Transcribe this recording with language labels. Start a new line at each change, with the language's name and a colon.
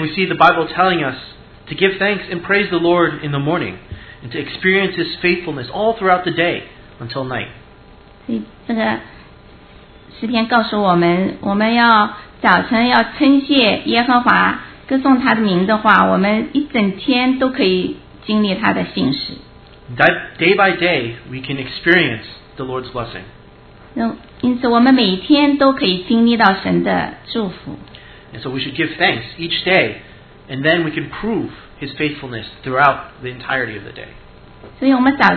English: we see the Bible telling us to give thanks and praise the Lord in the morning, and to experience His faithfulness all throughout the day until night.
Chinese: 这个诗篇告诉我们，我们要早晨要称谢耶和华，歌颂他的名的话，我们一整天都可以。
English: Day by day, we can experience the Lord's blessing.
Chinese: 因此我们每天都可以经历到神的祝福。
English: And so we should give thanks each day, and then we can prove His faithfulness throughout the entirety of the day.